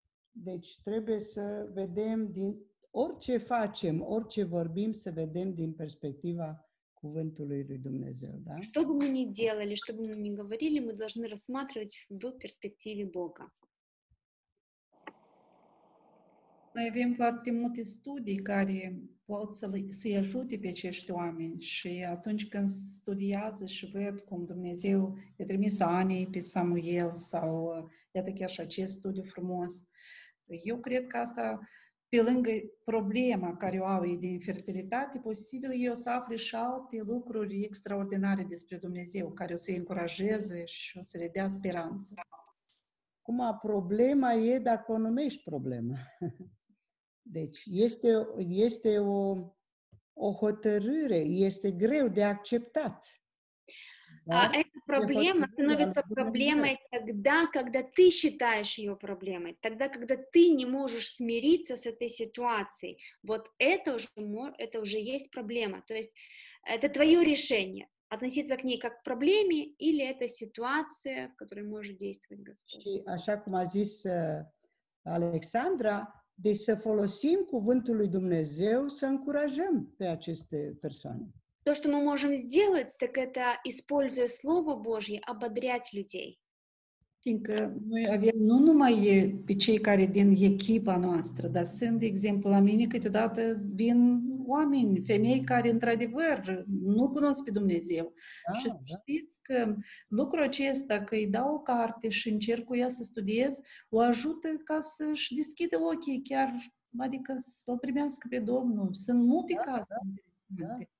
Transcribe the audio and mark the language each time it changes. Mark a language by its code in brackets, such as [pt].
[ro] Deci, trebuie să vedem din orice facem, orice vorbim, să vedem din perspectiva cuvântului lui Dumnezeu, da? [ru] Что бы мы ни делали, что бы мы ни говорили, мы должны рассматривать в перспективе Бога. [ro] Noi avem foarte multe studii care pot să-i ajute pe acești oameni și atunci când studiază și văd cum Dumnezeu i-a trimis Anei pe Samuel sau iată chiar și acest studiu frumos, eu cred că asta, pe lângă problema care o au ei de infertilitate, posibil eu să afle și alte lucruri extraordinare despre Dumnezeu care o să-i încurajeze și o să le dea speranță. Cum problema e dacă o numești problemă. Deci este o hotărâre, este greu de acceptat. [ru] Да? Это проблема становится проблемой тогда, когда ты считаешь ее проблемой, тогда, когда ты не можешь смириться с этой ситуацией. Вот это уже есть проблема. То есть это твое решение. Относиться к ней как к проблеме или это ситуация, в которой может действовать Господь. А как мы здесь Александра, [ro] deci să folosim cuvântul lui Dumnezeu să încurajăm pe aceste persoane. [ru] То, что мы можем сделать, так это, используя Слово Божье, ободрять людей. [ro] Fiindcă noi avem nu numai pe cei care din echipa noastră, dar sunt, de exemplu, la mine câteodată vin oameni, femei care într-adevăr nu cunosc pe Dumnezeu. Ah, și da. Știți că lucrul acesta, că îi dau o carte și încerc cu ea să studiez, o ajută ca să-și deschidă ochii chiar, adică să-L primească pe Domnul. Sunt multe cazuri. Da, da, da.